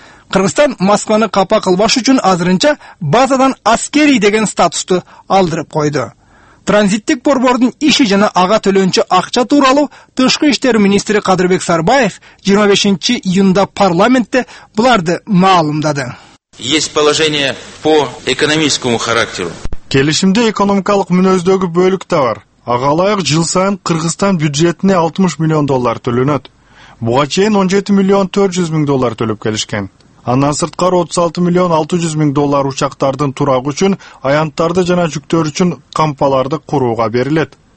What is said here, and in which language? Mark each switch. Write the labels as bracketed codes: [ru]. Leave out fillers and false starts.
[ky] Кыргызстан Москваны капа кылбаш үчүн азырынча базадан аскерий деген статусту алдырып койду. Транзиттик борбордун иши жана ага төлөнчү акча тууралуу тышкы иштер министри Кадырбек Сарбаев 25 июнда парламентте буларды маалымдады. [ru] Есть положение по экономическому характеру. [ky] Келишимде экономикалык мүнөздөгү бөлүк да бар. Ага ылайык жыл сайын Кыргызстан бюджетине 60 миллион доллар төлөнөт. Буга чейин 17 миллион 400 миң доллар төлөп келишкен. Андан сырткары 36 миллион 600 миң доллар учактардын турагы үчүн аянттарды жана жүктөр үчүн кампаларды курууга берилет.